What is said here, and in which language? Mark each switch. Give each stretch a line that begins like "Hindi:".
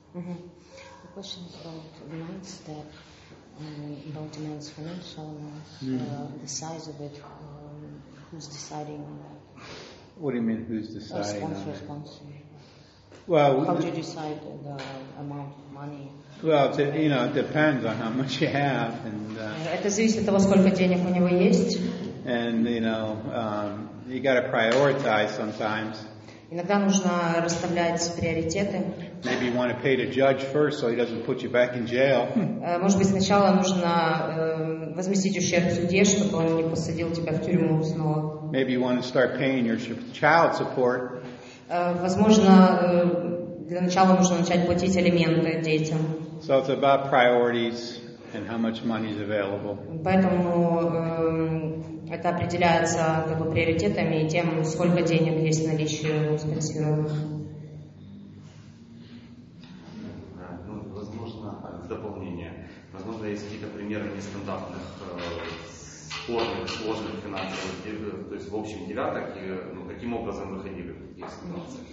English: The question is about the ninth step, about the man's financial, the size of it, who's deciding. What do you mean, who's deciding? Sponsor. Well, how do you decide the amount of money? Well, you know, it depends on how much you have.
Russian: Это зависит от того, сколько денег у него есть.
English: And, you know, you got to prioritize sometimes.
Russian: Иногда нужно расставлять приоритеты.
English: Maybe you want to pay the judge first so he doesn't put you back in jail.
Russian: Может быть, сначала нужно возместить ущерб судье, чтобы он не посадил тебя в тюрьму снова.
English: Maybe you want to start paying your child support.
Russian: Возможно, для начала нужно начать платить алименты детям.
English: So it's about priorities and how much money is available.
Russian: Поэтому это определяется как бы приоритетами и тем, сколько денег есть в наличии у спонсированных. Ну, возможно, в дополнение, возможно, есть какие-то примеры нестандартных сложных финансовых, то есть в общем девяток, и, ну, каким образом выходили в такие ситуации?